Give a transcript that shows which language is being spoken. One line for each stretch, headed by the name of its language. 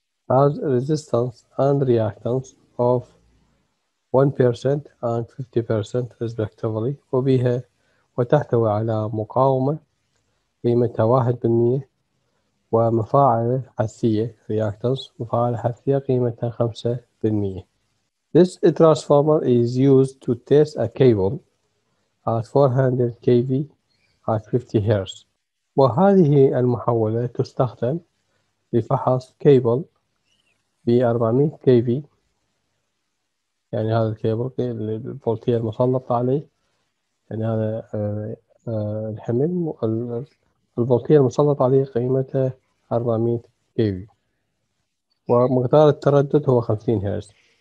English: has resistance and reactance of 1% and 50% respectively،
Arabic: وبها وتحتوي على مقاومة قيمتها 1% ومفاعل حثية reactance مفاعل حثية قيمتها 5%.
English: This transformer is used to test a cable at 400 kV at 50 Hz.
Arabic: وهذه المحولة تستخدم لفحص cable ب 400 kV، يعني هذا الكيبل الفولتية المسلطة عليه، يعني هذا الحمل الفولتية المسلط عليه قيمته 400 كيفي، ومقدار التردد هو 50 هرتز.